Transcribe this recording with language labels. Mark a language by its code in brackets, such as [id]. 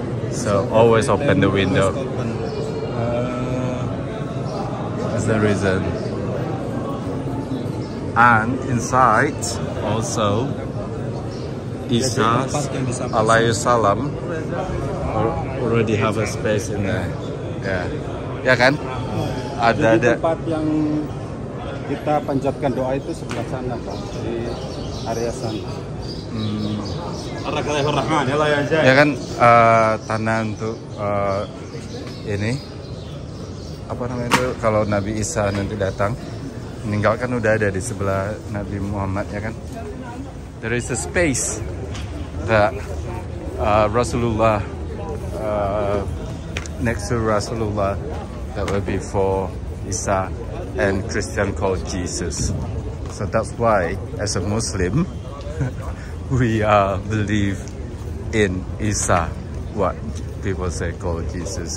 [en] So always open the window. That's the reason. And inside also Isa alayhi salam already have a space in there. Yeah. Yeah kan? [id] Ada di tempat yang kita panjatkan doa itu sebelah sana Pak, di area sana. Ar-Rahman ya lah ya. Ya kan tanah untuk ini apa namanya itu kalau Nabi Isa nanti datang meninggalkan udah ada di sebelah Nabi Muhammad ya kan. [en] There is a space that Rasulullah next to Rasulullah that were before Isa and Christian called Jesus. So that's why as a Muslim we believe in Isa, what people say called Jesus.